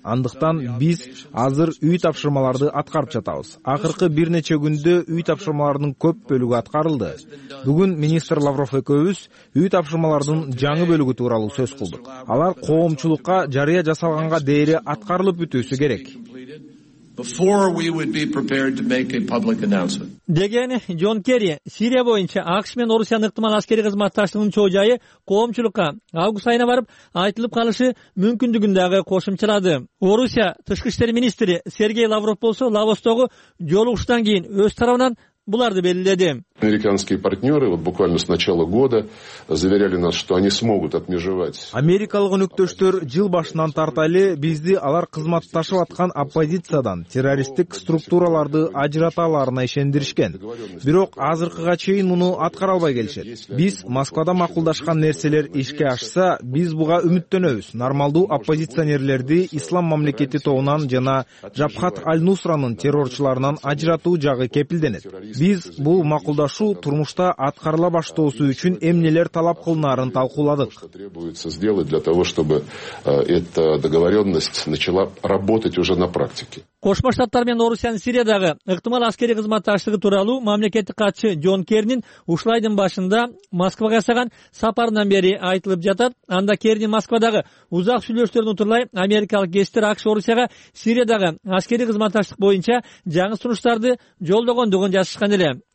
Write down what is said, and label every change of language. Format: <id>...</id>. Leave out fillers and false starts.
<ky>Андыктан биз азыр үй тапшырмаларды аткарып жатабыз. Акыркы бир нече күндө үй тапшырмалардын көп бөлүгү аткарылды. Бүгүн министр Лавров экөөбүз үй тапшырмалардын жаңы бөлүгү тууралуу сөз кылдык. Алар коомчулукка жарыя жасалганга дээри аткарылып бүтүүсү керек.</ky> <en>Before we would be prepared to make a public announcement.</en> <ky>Деген Джон Керри Сирия боюнча АКШ менен Орусиянын ыктымал аскерий кызматташтыгынын чоо жайы коомчулукка август айына барып айтылып калышы мүмкүндүгүн дагы кошумчалады. Орусия тышкы иштер министри Сергей Лавров болсо Лаостогу жолугушуудан кийин өз тарабынан буларды белгиледи.</ky> <ru>Американские партнеры вот буквально с начала года заверяли нас, что они смогут отмежевать.</ru> <ky>Америкалык өнүктөштөр жыл башынан тарта эле бизди алар кызматташып аткан оппозициядан террористтик структураларды ажырата аларына ишендиришкен. Бирок азыркыга чейин муну аткара албай келишет. Биз Москвада макулдашкан нерселер ишке ашса, биз буга үмүттөнөбүз. Нормалдуу оппозиционерлерди ислам мамлекети тобунан жана Джабхат Аль-Нусранын террорчуларынан ажыратуу жагы кепилденет. Биз бул макулдашуу турмушта аткарыла баштоосу үчүн эмнелер талап кылынарын талкууладык.</ky> <ru>Требуется сделать для того, чтобы эта договоренность начала работать уже на практике.</ru> <ky>Кошмо Штаттар менен Орусиянын Сириядагы ыктымал аскерий кызматташтыгы тууралуу мамлекеттик катчы Джон Керринин ушул айдын башында Москвага жасаган сапарынан бери айтылып жатат. Анда Керрин Москвадагы узак сүйлөшүүлөрүн утурлай америкалык гестер АКШ Орусияга Сириядагы аскерий кызматташтык боюнча жаңы сунуштарды жолдогондугун жазышкан эле.</ky>